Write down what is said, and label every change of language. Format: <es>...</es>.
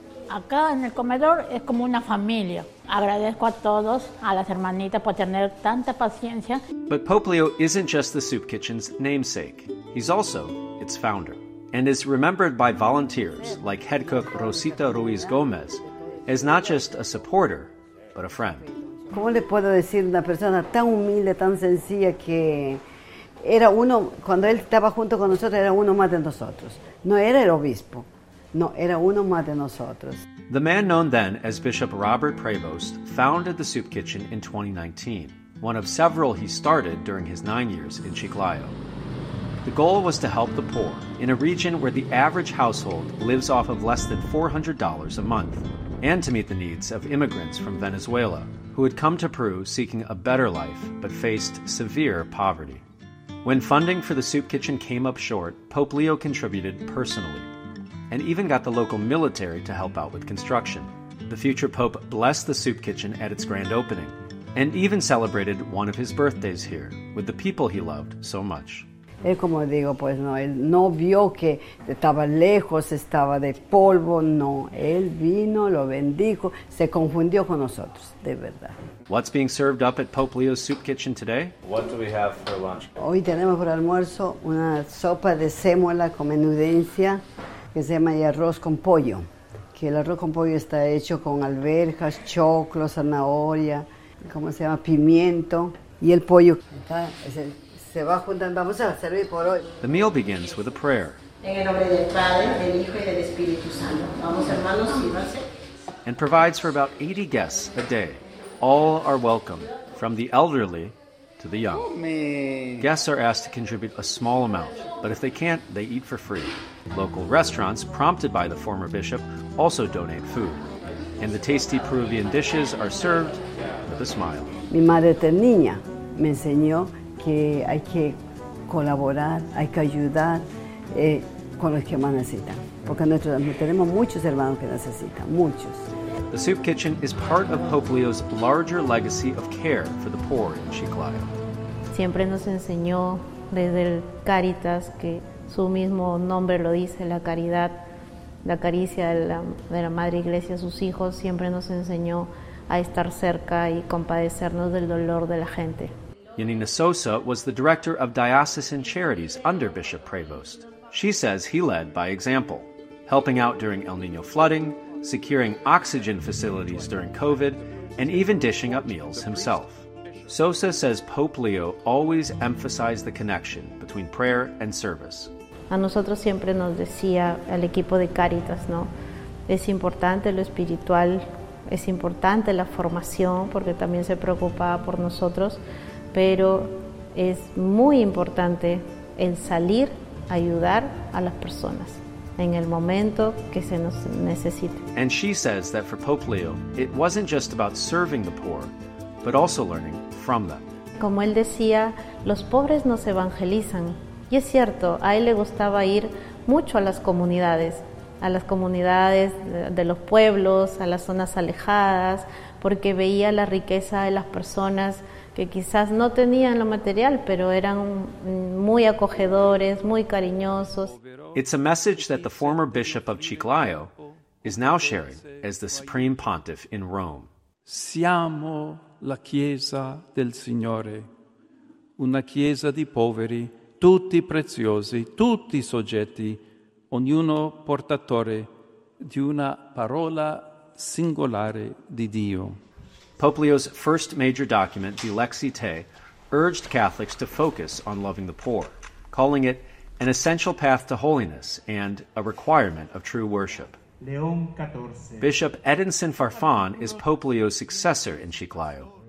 <es>Acá en el comedor es como una familia. Agradezco a todos, a las hermanitas, por tener tanta paciencia.</es> <en>But Pope Leo isn't just the soup kitchen's namesake. He's also its founder and is remembered by volunteers like head cook Rosita Ruiz Gomez as not just a supporter, but a friend.</en> <es>¿Cómo le puedo decir una persona tan humilde, tan sencilla que era uno, cuando él estaba junto con nosotros, era uno más de nosotros? No era el obispo. No, era uno más de nosotros.</es> <en>The man known then as Bishop Robert Prevost founded the soup kitchen in 2019, one of several he started during his 9 years in Chiclayo. The goal was to help the poor in a region where the average household lives off of less than $400 a month, and to meet the needs of immigrants from Venezuela who had come to Peru seeking a better life but faced severe poverty. When funding for the soup kitchen came up short, Pope Leo contributed personally, and even got the local military to help out with construction. The future Pope blessed the soup kitchen at its grand opening, and even celebrated one of his birthdays here with the people he loved so much.</en> <es>Él, como digo, pues no, él no vio que estaba lejos, estaba de polvo, no. Él vino, lo bendijo, se confundió con nosotros, de verdad.</es> <en>What's being served up at Pope Leo's soup kitchen today? What do we have for lunch?</en> <es>Hoy tenemos por almuerzo una sopa de sémola con menudencia, que se llama arroz con pollo, que el arroz con pollo está hecho con alverjas, choclo, zanahoria, ¿cómo se llama? Pimiento, y el pollo. Se va juntando, vamos a servir por hoy.</es> <en>The meal begins with a prayer.</en> <es>En el nombre del Padre, del Hijo y del Espíritu Santo. Vamos, hermanos, sírvanse.</es> <en>And provides for about 80 guests a day. All are welcome, from the elderly to the young. Guests are asked to contribute a small amount, but if they can't, they eat for free. Local restaurants, prompted by the former bishop, also donate food. And the tasty Peruvian dishes are served with a smile.</en> <es>Mi madre tenía, me enseñó que hay que colaborar, hay que ayudar con los que más necesitan. Porque nosotros tenemos muchos hermanos que necesitan, muchos.</es> <en>The Soup Kitchen is part of Hope Leo's larger legacy of care for the poor in Chiclayo.</en> <es>Siempre nos enseñó desde el Caritas, que su mismo nombre lo dice, la caridad, la caricia de la Madre Iglesia a sus hijos, siempre nos enseñó a estar cerca y compadecernos del dolor de la gente.</es> <en>Yanina Sosa was the director of diocesan charities under Bishop Prevost. She says he led by example, helping out during El Nino flooding, securing oxygen facilities during COVID, and even dishing up meals himself. Sosa says Pope Leo always emphasized the connection between prayer and service.</en> <es>A nosotros siempre nos decía el equipo de Caritas, ¿no? Es importante lo espiritual, es importante la formación, porque también se preocupaba por nosotros, pero es muy importante el salir a ayudar a las personas en el momento que se nos necesite.</es> <en>And she says that for Pope Leo, it wasn't just about serving the poor, but also learning from them.</en> <es>Como él decía, los pobres nos evangelizan. Y es cierto, a él le gustaba ir mucho a las comunidades de los pueblos, a las zonas alejadas, porque veía la riqueza de las personas que quizás no tenían lo material, pero eran muy acogedores, muy cariñosos.</es> <en>It's a message that the former bishop of Chiclayo is now sharing as the supreme pontiff in Rome.</en> <it>Siamo la Chiesa del Signore, una Chiesa di poveri, tutti preziosi, tutti soggetti, ognuno portatore di una parola singolare di Dio.</it> <en>Pope Leo's first major document, the Lexi Te, urged Catholics to focus on loving the poor, calling it an essential path to holiness and a requirement of true worship.</en> <es>León 14.</es> <en>Bishop Edinson Farfán is Pope Leo's successor in Chiclayo.</en>